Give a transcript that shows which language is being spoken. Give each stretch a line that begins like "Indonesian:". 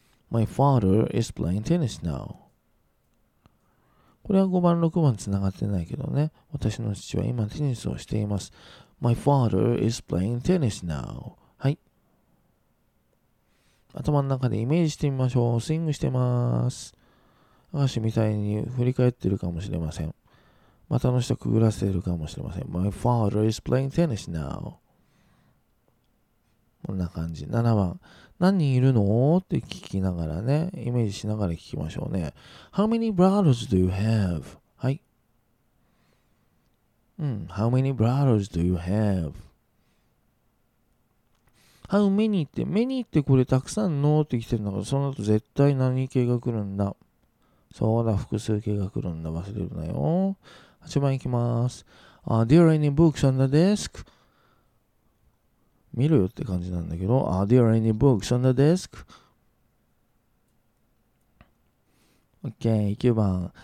English: My father is playing tennis now.
Japanese: これは5番、6番つながってないけどね。私の父は今テニスをしています。
English: My father is playing tennis now.
Japanese: はい。頭の中でイメージしてみましょう。スイングしてます。足みたいに振り返ってるかもしれません。股の下くぐらせてるかもしれません。
English: My father is playing tennis now.
Japanese: こんな感じ。7番。何人いるの？って聞きながらね。イメージしながら聞きましょうね。
English: How many brothers do you have?
Japanese: はい。うん。
English: How many brothers do you have?
Japanese: How many って、many ってこれたくさんのって来てるんだから、その後絶対何形が来るんだ。そうだ、複数形が来るんだ。忘れるなよ。8番いきます。
English: Are there any books on the desk?
Japanese: 見るよって感じなんだけど、
English: Are there any books on the desk?OK、9番。